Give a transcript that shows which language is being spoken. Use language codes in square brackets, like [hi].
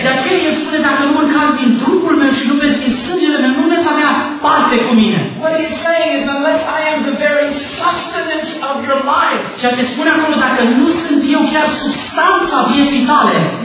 [ro] De aceea el spune, dacă nu mănânci din trupul meu și nu beți din sângele meu, nu veți avea parte cu mine. [en] What he's saying is, unless I am the very sustenance of your life. [ro] Ceea ce spune acolo, dacă nu sunt eu chiar substanța vieții tale,